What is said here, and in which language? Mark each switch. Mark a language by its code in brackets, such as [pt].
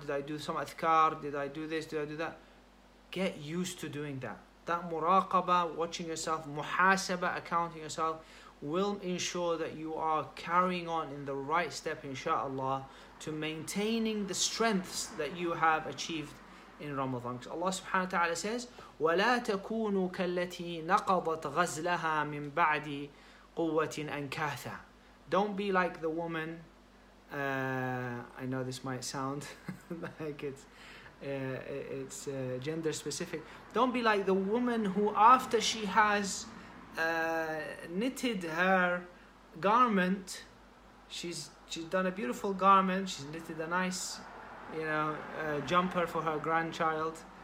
[en] Did I do some adhkar? Did I do this? Did I do that? Get used to doing that. That muraqabah, watching yourself, muhasabah, accounting yourself, will ensure that you are carrying on in the right step, inshallah, to maintaining the strengths that you have achieved in Ramadan. Allah subhanahu wa ta'ala says, [ar] وَلَا تَكُونُوا كَالَّتِي نَقَضَتْ غَزْلَهَا مِنْ بَعْدِ قُوَّةٍ أَنْكَاثَ. [en] Don't be like the woman, I know this might sound like it's gender specific. Don't be like the woman who, after she has knitted her garment, she's done a beautiful garment, she's knitted a nice, you know, a jumper for her grandchild.